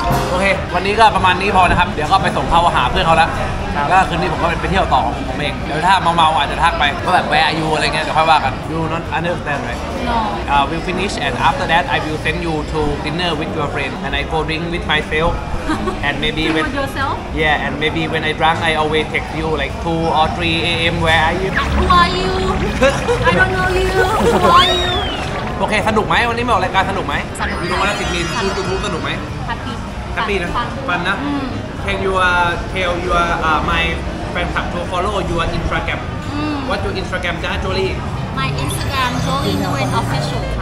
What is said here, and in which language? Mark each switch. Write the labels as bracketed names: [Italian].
[Thai] โอเควันนี้ก็ประมาณนี้พอนะครับเดี๋ยวก็ไปส่งเขาหาเพื่อนเขาแล้วก็คืนนี้ผมก็ไปเที่ยวต่อผมเองเดี๋ยวถ้าเมาๆอาจจะทักไปก็แบบแวะยูอะไรเงี้ยเดี๋ยวค่อยว่ากันยูนั่นอันนี้เป็นไง [English] No will finish and after that I will send you to dinner with your friend and I go drink with myself and maybe with yourself yeah and maybe when I drunk I always text you like 2 or 3 a.m. where are you who are you I don't know you who are you [Thai] โอเคสนุกไหมวันนี้มาออกรายการสนุกไหม สนุก ดูมาแล้ว10 มิลลิลิตรสนุกไหม [English] แฮปปี้ นะฟันนะ Can you tell your my fan club to follow your Instagram What's your Instagram จ้า Jolie My Instagram Jolie Nguyen Official ค